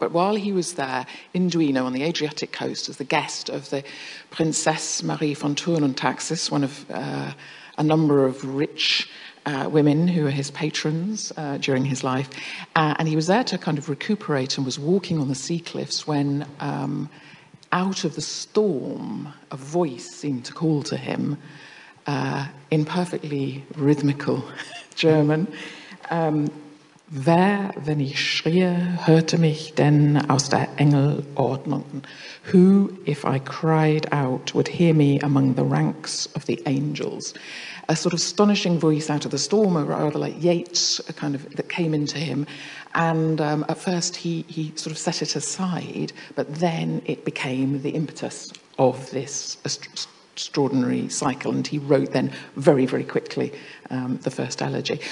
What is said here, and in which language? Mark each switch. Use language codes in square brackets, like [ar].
[en] But while he was there in Duino on the Adriatic coast as the guest of the Princess Marie von Thurn und Taxis, one of a number of rich women who were his patrons during his life, and he was there to kind of recuperate and was walking on the sea cliffs when out of the storm, a voice seemed to call to him in perfectly rhythmical German. [de] Wer, wenn ich schrie, hörte mich denn aus der Engelordnung? [en] Who, if I cried out, would hear me among the ranks of the angels? A sort of astonishing voice out of the storm, or rather like Yeats, a kind of, that came into him. And at first he sort of set it aside, but then it became the impetus of this extraordinary cycle, and he wrote then very, very quickly the first elegy.